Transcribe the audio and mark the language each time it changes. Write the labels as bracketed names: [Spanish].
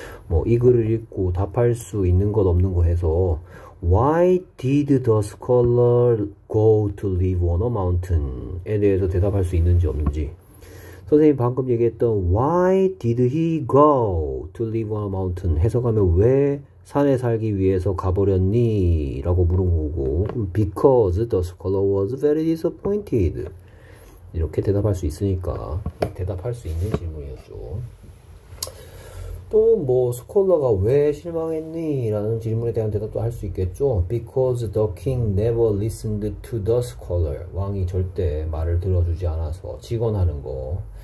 [Korean] 뭐이 글을 읽고 답할 수 있는 것 없는 거 해서 [English] Why did the scholar go to live on a mountain? [Korean] 에 대해서 대답할 수 있는지 없는지. 선생님 방금 얘기했던 [English] Why did he go to live on a mountain? [Korean] 해석하면 왜 산에 살기 위해서 가버렸니? 라고 물은 거고, [English] Because the scholar was very disappointed. [Korean] 이렇게 대답할 수 있으니까, 대답할 수 있는 질문이었죠. 또, 뭐, 스콜라가 왜 실망했니? 라는 질문에 대한 대답도 할수 있겠죠. [English] Because the king never listened to the scholar. [Korean] 왕이 절대 말을 들어주지 않아서 직언하는 거.